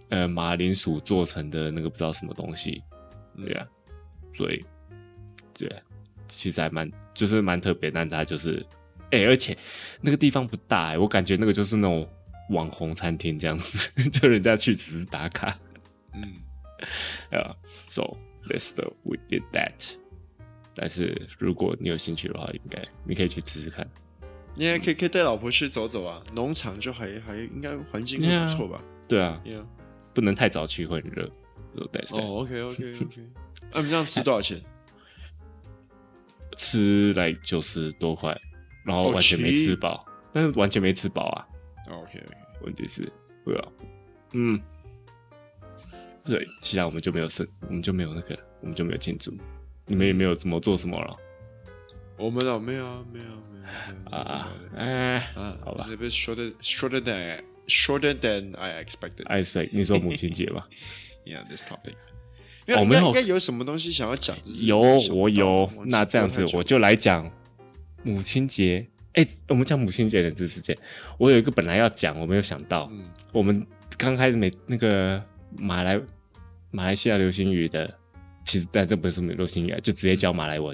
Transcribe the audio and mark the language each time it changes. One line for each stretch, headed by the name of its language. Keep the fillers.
Chinese: 呃，马铃薯做成的那个不知道什么东西，对啊，mm hmm. 所以对、啊，其实还蛮就是蛮特别，但它就是哎、欸，而且那个地方不大哎、欸，我感觉那个就是那种网红餐厅这样子， 就人家去只是打卡，嗯、mm。
English: 啊 、yeah,，So this we did that。
Chinese: 但是如果你有兴趣的话，应该你可以去试试看。你也、嗯、可以可以带老婆去走走啊，农场就还还应该环境很不错吧？Yeah, 对啊，不能太早去，会很热。So、s oh,
English: OK, OK, okay.。
Chinese: 啊，你们这样吃多少钱？吃来九十多块，然后完全没吃饱，oh, 但是完全没吃饱啊。 OK，, okay. 问题是不要、啊，嗯。对，其他我们就没有剩，我们就没有那个，我们就没有庆祝，你们也没有怎么做什么了。我们啊，没有，没有，没有啊，哎，好吧。是不是
English: shorter shorter than shorter than I expected？I
Chinese: expect 你说母亲节吧？
English: Yeah, this topic.
Chinese: 我们应该有什么东西想要讲？有，我有。那这样子我就来讲母亲节。哎，我们讲母亲节的知识点。我有一个本来要讲，我没有想到，我们刚开始没那个。马来马来西亚流行语的，其实在这不是流行语，就直接叫马来文。